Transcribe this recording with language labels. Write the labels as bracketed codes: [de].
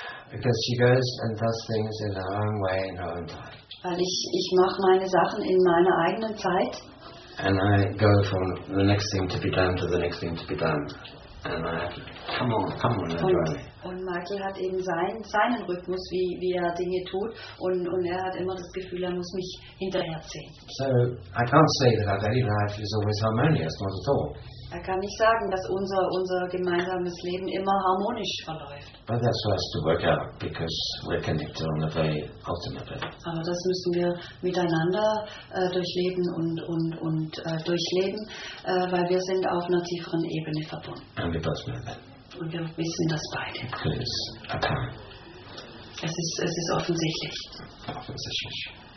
[en] Because she goes and does things in her own way, in her own time. [de] Weil ich mache meine Sachen in meiner eigenen Zeit. [en] And I go from the next thing to be done to the next thing to be done. And I come on, everybody. [de] Und Michael hat eben seinen Rhythmus, wie er Dinge tut, und er hat immer das Gefühl, er muss mich hinterherziehen. [en] So, I can't say that our daily life is always harmonious, not at all. [de] Er kann nicht sagen, dass unser gemeinsames Leben immer harmonisch verläuft. [en] But that's what has to work out, because we're connected on the very ultimate. [de] Aber das müssen wir miteinander durchleben und durchleben, weil wir sind auf einer tieferen Ebene verbunden. [en] And we both know that. [de] Und wir wissen das beide. Es ist offensichtlich. Offensichtlich.